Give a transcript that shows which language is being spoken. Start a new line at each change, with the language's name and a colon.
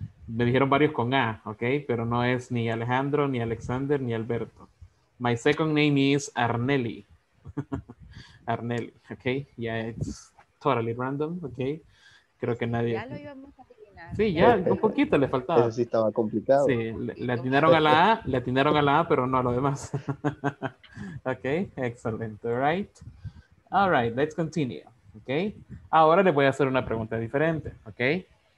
Spanish: me dijeron varios con A, ok, pero no es ni Alejandro, ni Alexander, ni Alberto.
English: My second name is Arnelli. Arnelli, ok, ya yeah, it's totally random, ok.
Spanish: Creo que nadie. Ya lo íbamos a adivinar. Sí, ya, un poquito le faltaba. Eso sí estaba complicado. Sí, le atinaron a la A, le atinaron a la A, pero no a lo demás.
English: Ok, excellent, all right, let's continue.
Spanish: Ok, ahora le voy a hacer una pregunta diferente, ok.